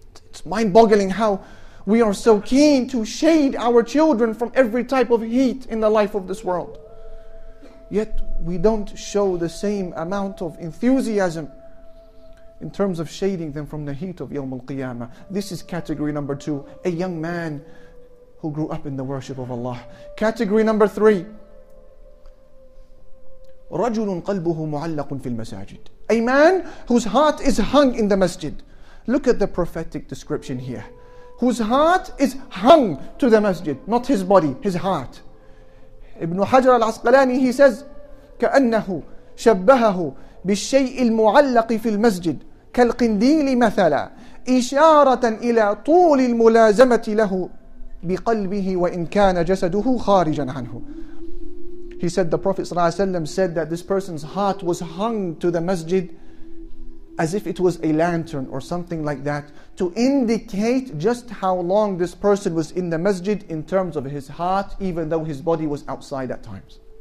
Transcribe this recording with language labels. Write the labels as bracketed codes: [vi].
[en] It's mind-boggling how we are so keen to shade our children from every type of heat in the life of this world. Yet we don't show the same amount of enthusiasm in terms of shading them from the heat of Yawm al-Qiyamah. This is category number two, a young man who grew up in the worship of Allah. Category number three, [ar] رجل قلبه معلق في المساجد. [en] A man whose heart is hung in the masjid. Look at the prophetic description here. Whose heart is hung to the masjid, not his body, his heart. [ar] Ibn Hajar al-Asqalani, [en] he says, [ar] كأنه شبهه بالشيء المعلق في المسجد كالقنديل مثلا إشارة إلى طول الملازمة له بقلبه وإن كان جسده خارجا عنه. [en] He said the Prophet ﷺ said that this person's heart was hung to the masjid as if it was a lantern or something like that, to indicate just how long this person was in the masjid in terms of his heart, even though his body was outside at times.